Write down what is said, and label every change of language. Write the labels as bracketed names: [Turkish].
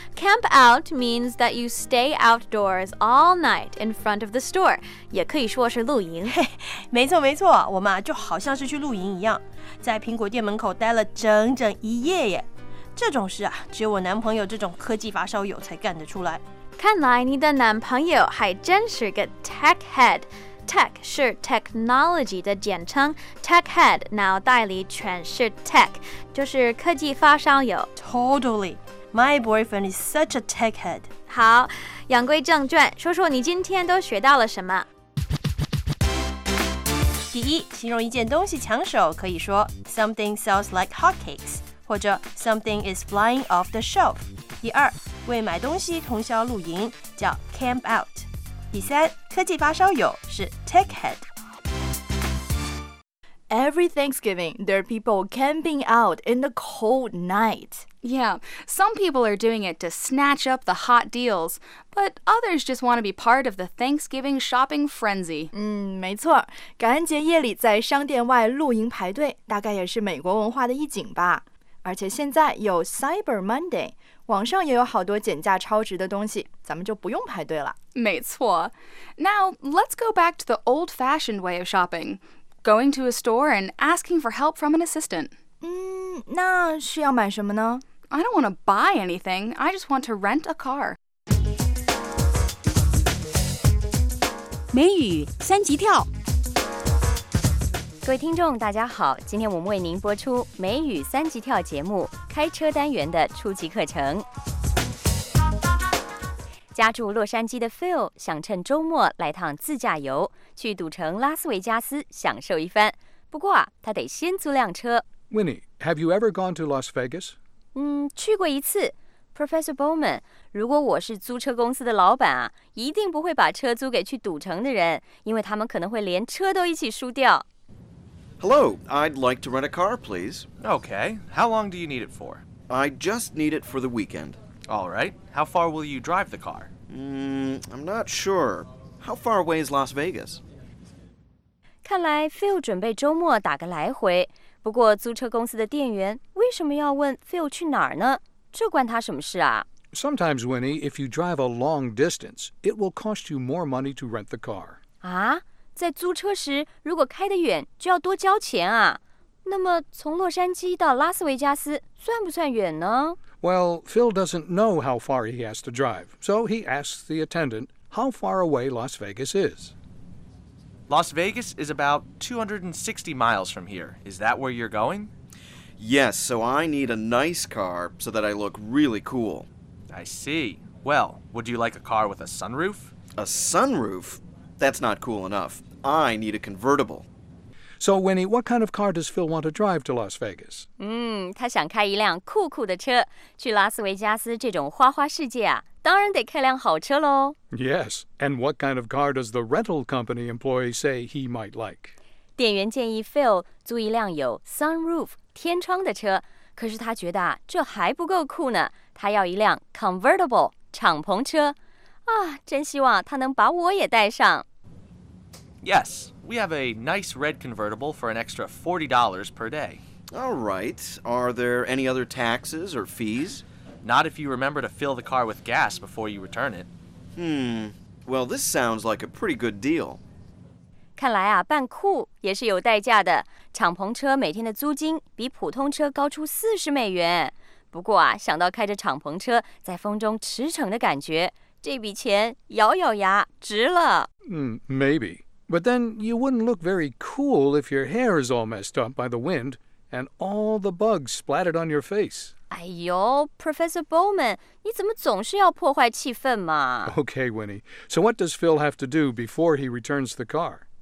[English] Camp out means that you stay outdoors all night in front of the store. [Chinese] 也可以说是露营。没错没错，我们啊就好像是去露营一样，在苹果店门口待了整整一夜耶。这种事啊，只有我男朋友这种科技发烧友才干得出来。看来你的男朋友还真是个 tech head. Tech 是 technology 的简称 ，tech head 脑袋里全是 tech， 就是科技发烧友。 [English] Totally, my boyfriend is such a tech head. [Chinese] 好，言归正传，说说你今天都学到了什么？第一，形容一件东西抢手，可以说 [English] something sells like hotcakes， [Chinese] 或者 [English] something is flying off the shelf。 [Chinese] 第二。为买东西通宵露营叫 camp out。第三，科技发烧友是 tech head。 [English] Every Thanksgiving, there are people camping out in the cold night. Yeah, some people are doing it to snatch up the hot deals, but others just want to be part of the Thanksgiving shopping frenzy. [Chinese] 没错，感恩节夜里在商店外露营排队，大概也是美国文化的一景吧。而且现在有 Cyber Monday。网上也有好多减价超值的东西，咱们就不用排队了。没错。 [English] Now, let's go back to the old-fashioned way of shopping. Going to a store and asking for help from an assistant. [Chinese] 那是要买什么呢？ [English] I don't want to buy anything. I just want to rent a car. [Chinese] 美语三级跳。各位听众大家好，今天我们为您播出美语三级跳节目开车单元的初级课程。家住洛杉矶的 Phil 想趁周末来趟自驾游，去赌城拉斯维加斯享受一番，不过他得先租辆车。 [English] Winnie, have you ever gone to Las Vegas? [Chinese] 去过一次。Professor Bowman, 如果我是租车公司的老板啊，一定不会把车租给去赌城的人，因为他们可能会连车都一起输掉。 [English] Hello, I'd like to rent a car, please. Okay, how long do you need it for? I just need it for the weekend. All right, how far will you drive the car? I'm not sure. How far away is Las Vegas? [Chinese] 看来 Phil 准备周末打个来回，不过租车公司的店员为什么要问 Phil 去哪儿呢？这关他什么事啊？ Sometimes, Winnie, if you drive a long distance, it will cost you more money to rent the car. 啊？在租车时，如果开得远，就要多交钱啊。那么，从洛杉矶到拉斯维加斯算不算远呢？ [English] Well, Phil doesn't know how far he has to drive, so he asks the attendant how far away Las Vegas is. Las Vegas is about 260 miles from here. Is that where you're going? Yes, so I need a nice car so that I look really cool. I see. Well, would you like a car with a sunroof? A sunroof? That's not cool enough. I need a convertible. So, Winnie, what kind of car does Phil want to drive to Las Vegas? [Chinese] 他想开一辆酷酷的车。去拉斯维加斯这种花花世界啊，当然得开辆好车咯。 Yes, and what kind of car does the rental company employee say he might like? 店员建议 Phil 租一辆有 sunroof, 天窗的车。可是他觉得这还不够酷呢。他要一辆 convertible, 敞篷车。真希望他能把我也带上。 [English] Yes, we have a nice red convertible for an extra $40 per day. All right, are there any other taxes or fees? Not if you remember to fill the car with gas before you return it. Well, this sounds like a pretty good deal. [Chinese] 看来啊，办库也是有代价的。敞篷车每天的租金比普通车高出40美元。不过啊，想到开着敞篷车在风中驰骋的感觉，这笔钱咬咬牙值了。 [English] Maybe. But then you wouldn't look very cool if your hair is all messed up by the wind and all the bugs splattered on your face. [Chinese] 哎呦 ,Professor Bowman, 你怎么总是要破坏气氛嘛 [English] ?Okay, Winnie. So what does Phil have to do before he returns the car?